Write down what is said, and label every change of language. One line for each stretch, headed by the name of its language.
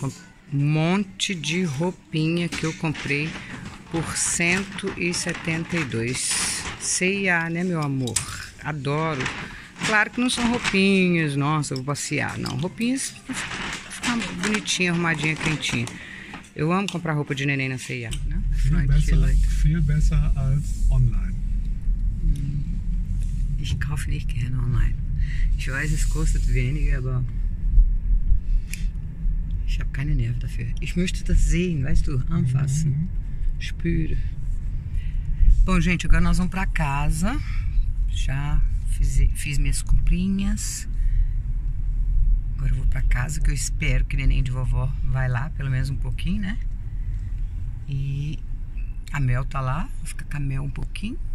Portuguese: Um monte de roupinha que eu comprei por 172. C&A, né, meu amor? Adoro. Claro que não são roupinhas, nossa, eu vou passear. Não, roupinhas pra ficar bonitinha, arrumadinha, quentinha. Eu amo comprar roupa de neném na C&A, né? Feel better as online.
German: Ich kaufe nicht gerne online. Ich weiß, es kostet wenig, aber ich habe keine Nerv dafür. Ich möchte das sehen, weißt du, anfassen, spüre.
Portuguese: Bom, gente, agora nós vamos pra casa. Já fiz minhas comprinhas. Agora eu vou pra casa, que eu espero que neném de vovó vai lá, pelo menos um pouquinho, né? E a Mel tá lá, vou ficar com a Mel um pouquinho.